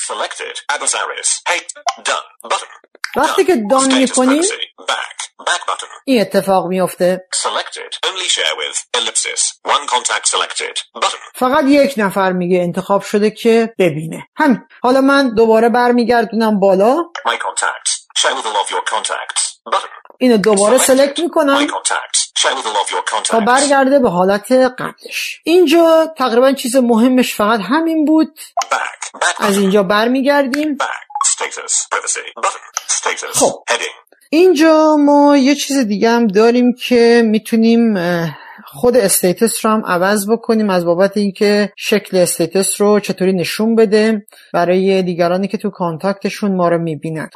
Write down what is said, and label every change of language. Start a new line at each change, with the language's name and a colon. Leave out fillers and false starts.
English: Selected. Abbas Aris. Hey. Done. Button.
Persian: وقتی که دان میکنی
English: back
Persian: این اتفاق میفته.
English: Selected. Only share with ellipsis. One contact selected. Button.
Persian: فقط یک نفر میگه انتخاب شده که ببینه. همین. حالا من دوباره برمیگردونم بالا.
English: My contacts. Share with all of your contacts. Button.
Persian: اینو دوباره سلکت میکنم.
English: My contacts. Share with all of your contacts.
Persian: تا برگرده به حالت قبلش. اینجا تقریبا چیز مهمش فقط همین بود.
English: Back.
Persian: از اینجا برمیگردیم.
English: Status. Privacy. Button. Status.
Persian: خب.
English: Heading.
Persian: اینجا ما یه چیز دیگه هم داریم که میتونیم خود استیتس رو هم عوض بکنیم از بابت اینکه شکل استیتس رو چطوری نشون بده برای دیگرانی که تو کانتاکتشون ما رو میبینن.